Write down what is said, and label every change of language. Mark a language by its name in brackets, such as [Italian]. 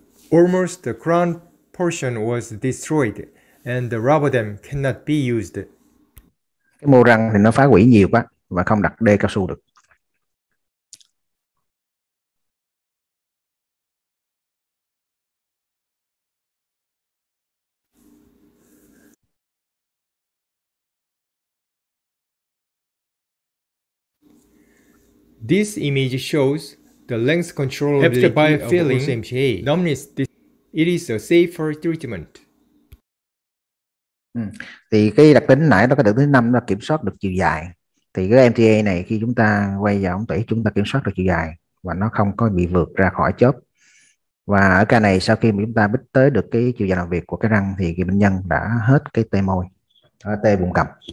[English] Almost the crown portion was destroyed and the rubber dam cannot be used. [Vietnamese] Cái mô răng thì nó phá hủy nhiều quá và không đặt đê cao su được. [English] This image shows the length control after biofilling numbness. It is a safer treatment. [Vietnamese] Thì cái đặc tính nãy nó có được thứ năm là kiểm soát được chiều dài. Thì cái MTA này khi chúng ta quay vào ống tủy chúng ta kiểm soát được chiều dài và nó không có bị vượt ra khỏi chóp. Và ở ca này sau khi chúng ta bích tới được cái chiều dài làm việc của cái răng thì cái bệnh nhân đã hết cái tê môi, tê vùng cằm.